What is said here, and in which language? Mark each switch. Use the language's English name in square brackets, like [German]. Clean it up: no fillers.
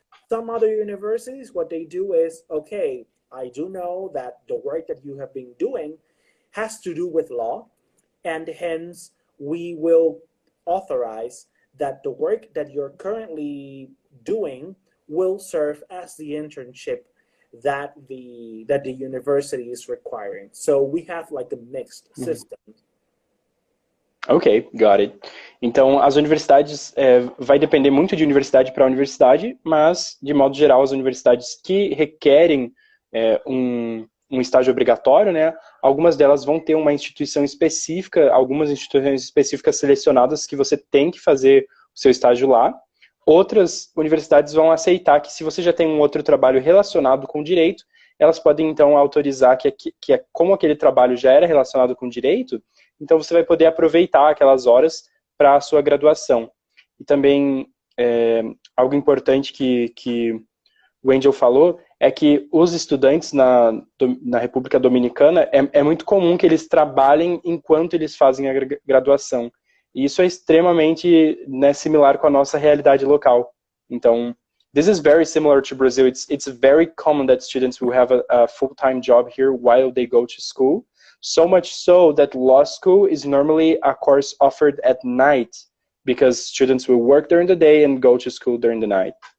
[English] Some other universities, what they do is, okay, I do know that the work that you have been doing has to do with law, and hence we will authorize that the work that you're currently doing will serve as the internship that the university is requiring. So we have like a mixed mm-hmm. system. Okay, got it. [Portuguese] Então, as universidades, vai depender muito de universidade para universidade, mas, de modo geral, as universidades que requerem um estágio obrigatório, né, algumas delas vão ter uma instituição específica, algumas instituições específicas selecionadas que você tem que fazer o seu estágio lá. Outras universidades vão aceitar que, se você já tem um outro trabalho relacionado com direito, elas podem, então, autorizar que como aquele trabalho já era relacionado com direito, então você vai poder aproveitar aquelas horas para a sua graduação. E também, algo importante que o Angel falou, é que os estudantes na República Dominicana, é muito comum que eles trabalhem enquanto eles fazem a graduação. E isso é extremamente, né, similar com a nossa realidade local. [English] Então, this is very similar to Brazil. It's very common that students will have a full-time job here while they go to school. So much so that law school is normally a course offered at night, because students will work during the day and go to school during the night.